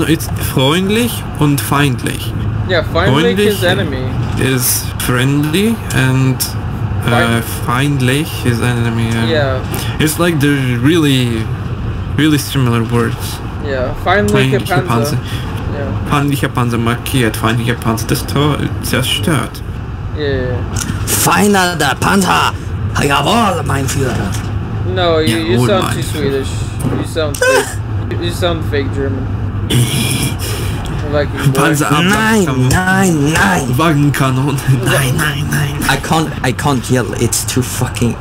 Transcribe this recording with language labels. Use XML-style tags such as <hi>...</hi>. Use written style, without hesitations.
<en>No, it's</en> <de>freundlich und feindlich.</de> <en>Yeah, feindlich is enemy. Is friendly and feindlich is enemy. Yeah. It's like they're really, really similar words.</en> <de>Yeah, feindliche Panzer. Feindlicher Panzer markiert, feindlicher Panzer zerstört.</de> <en>Yeah.</en> <de>Feiner der Panzer! Jawohl, mein Führer!</de> <en>No, you sound too Swedish. You sound fake. You sound fake German.</en> <de>Nein! Wagenkanon! Nein!</de> <en>I can't yell, it's too fucking...</en>